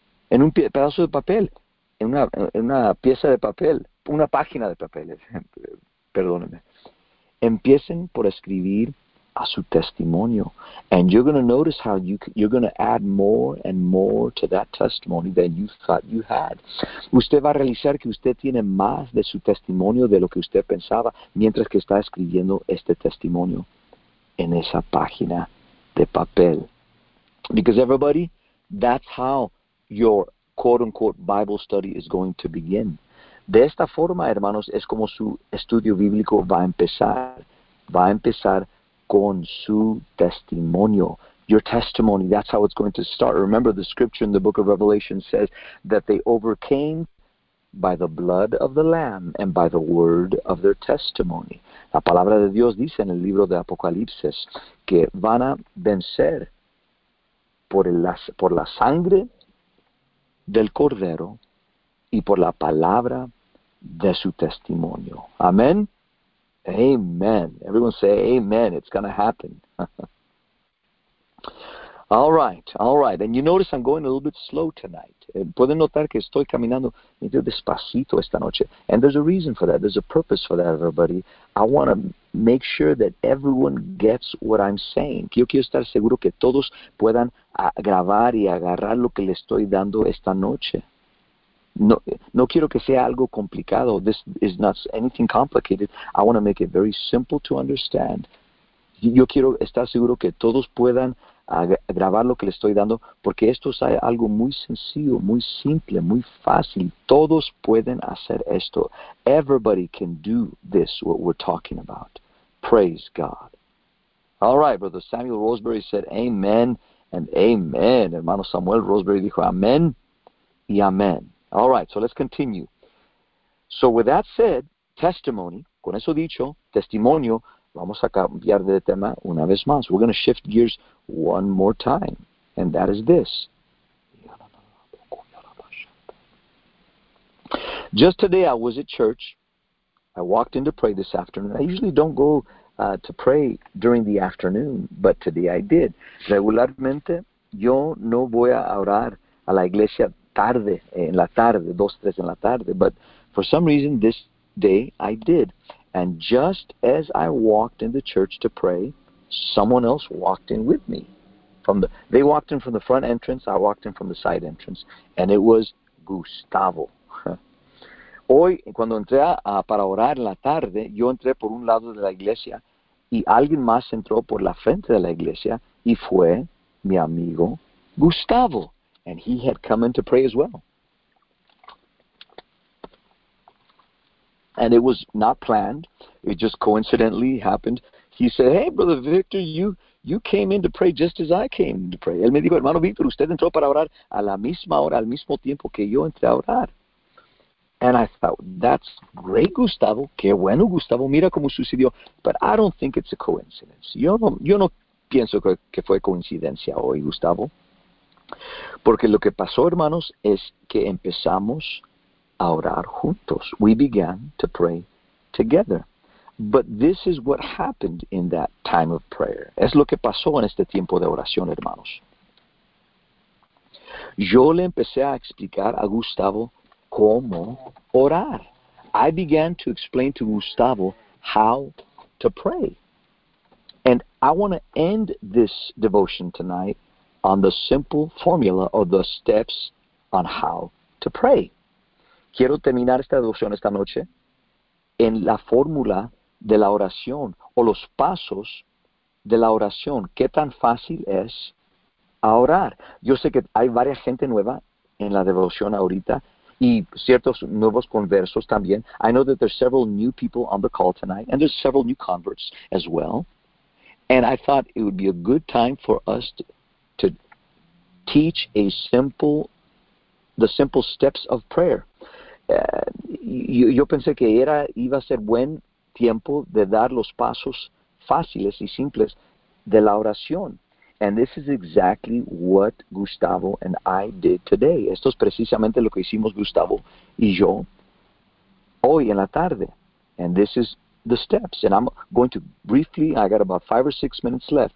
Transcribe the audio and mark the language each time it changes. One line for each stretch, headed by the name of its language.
Spanish: En un pedazo de papel, en una pieza de papel, una página de papel, perdónenme. Empiecen por escribir a su testimonio.
English: And you're going to notice how you're going to add more and more to that testimony than you thought you had.
Spanish: Usted va a realizar que usted tiene más de su testimonio de lo que usted pensaba mientras que está escribiendo este testimonio en esa página de papel.
English: Because everybody, that's how your quote-unquote Bible study is going to begin.
Spanish: De esta forma, hermanos, es como su estudio bíblico va a empezar. Va a empezar con su testimonio.
English: Your testimony, that's how it's going to start. Remember, the scripture in the book of Revelation says that they overcame by the blood of the Lamb and by the word of their testimony.
Spanish: La palabra de Dios dice en el libro de Apocalipsis que van a vencer por la sangre del Cordero y por la palabra de su testimonio.
English: Amén. Amen. Everyone say amen. It's going to happen. All right. And you notice I'm going a little bit slow tonight.
Spanish: Pueden notar que estoy caminando medio despacito esta noche.
English: And there's a reason for that. There's a purpose for that, everybody. I want to make sure that everyone gets what I'm saying.
Spanish: Yo quiero estar seguro que todos puedan grabar y agarrar lo que le estoy dando esta noche. No quiero que sea algo complicado.
English: This is not anything complicated. I want to make it very simple to understand.
Spanish: Yo quiero estar seguro que todos puedan grabar lo que les estoy dando, porque esto es algo muy sencillo, muy simple, muy fácil. Todos pueden hacer esto.
English: Everybody can do this, what we're talking about. Praise God. All right, Brother Samuel Roseberry said amen and amen.
Spanish: Hermano Samuel Roseberry dijo amen y amen.
English: All right, so let's continue. So with that said, testimony,
Spanish: con eso dicho, testimonio, vamos a cambiar de tema una vez más.
English: We're going to shift gears one more time, and that is this. Just today I was at church. I walked in to pray this afternoon. I usually don't go to pray during the afternoon, but today I did.
Spanish: Regularmente, yo no voy a orar a la iglesia tarde, en la tarde, dos, tres en la tarde.
English: But for some reason, this day I did. And just as I walked in the church to pray, someone else walked in with me. They walked in from the front entrance, I walked in from the side entrance, and it was Gustavo.
Spanish: Hoy, cuando entré para orar en la tarde, yo entré por un lado de la iglesia, y alguien más entró por la frente de la iglesia, y fue mi amigo Gustavo.
English: And he had come in to pray as well. And it was not planned. It just coincidentally happened. He said, hey, Brother Victor, you came in to pray just as I came to pray.
Spanish: Él me dijo, hermano Victor, usted entró para orar a la misma hora, al mismo tiempo que yo entré a orar.
English: And I thought, that's great, Gustavo.
Spanish: Qué bueno, Gustavo. Mira cómo sucedió.
English: But I don't think it's a coincidence.
Spanish: Yo no pienso que fue coincidencia hoy, Gustavo. Porque lo que pasó, hermanos, es que empezamos a orar juntos.
English: We began to pray together. But this is what happened in that time of prayer.
Spanish: Es lo que pasó en este tiempo de oración, hermanos. Yo le empecé a explicar a Gustavo cómo orar.
English: I began to explain to Gustavo how to pray. And I want to end this devotion tonight on the simple formula or the steps on how to pray.
Spanish: Quiero terminar esta devoción esta noche en la fórmula de la oración o los pasos de la oración. ¿Qué tan fácil es orar? Yo sé que hay varias gente nueva en la devoción ahorita y ciertos nuevos conversos también.
English: I know that there's several new people on the call tonight and there's several new converts as well. And I thought it would be a good time for us to teach a simple, the simple steps of prayer.
Spanish: Yo pensé que iba a ser buen tiempo de dar los pasos fáciles y simples de la oración.
English: And this is exactly what Gustavo and I did today.
Spanish: Esto es precisamente lo que hicimos Gustavo y yo hoy en la tarde.
English: And this is the steps. And I'm going to briefly, I got about 5 or 6 minutes left.